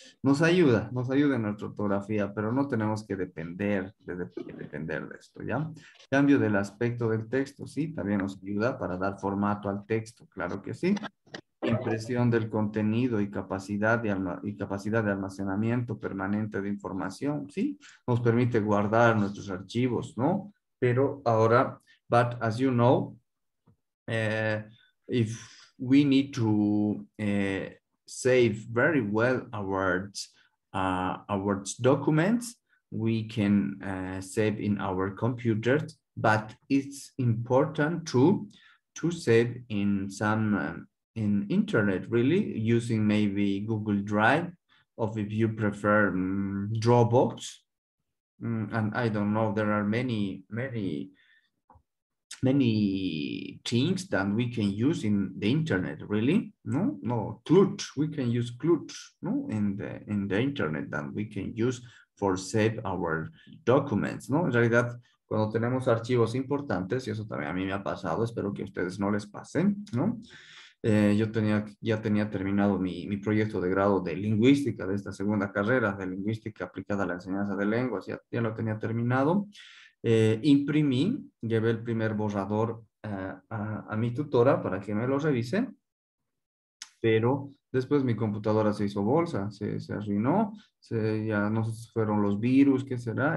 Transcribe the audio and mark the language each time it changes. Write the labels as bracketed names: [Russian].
[Spanish] Nos ayuda en nuestra ortografía, pero no tenemos que depender depender de esto, ¿ya? Cambio del aspecto del texto, sí, también nos ayuda para dar formato al texto, claro que sí. Impresión del contenido y capacidad de almacenamiento permanente de información, ¿sí? Nos permite guardar nuestros archivos, ¿no? Pero ahora, [English] but as you know, if we need to save very well our documents, we can save in our computers, but it's important to save in some in internet, really, using maybe Google Drive, or if you prefer Dropbox, and I don't know, there are many, many, many things that we can use in the internet, really, no, Clutch, we can use Clutch, no, in the internet that we can use for save our documents, no, like that. [Spanish] Cuando tenemos archivos importantes, y eso también a mí me ha pasado, espero que a ustedes no les pasen, no. Yo ya tenía terminado mi proyecto de grado de lingüística de esta segunda carrera de lingüística aplicada a la enseñanza de lenguas, ya lo tenía terminado. Imprimí, llevé el primer borrador a mi tutora para que me lo revise, pero después mi computadora se hizo bolsa, se arruinó, ya no fueron los virus, ¿qué será?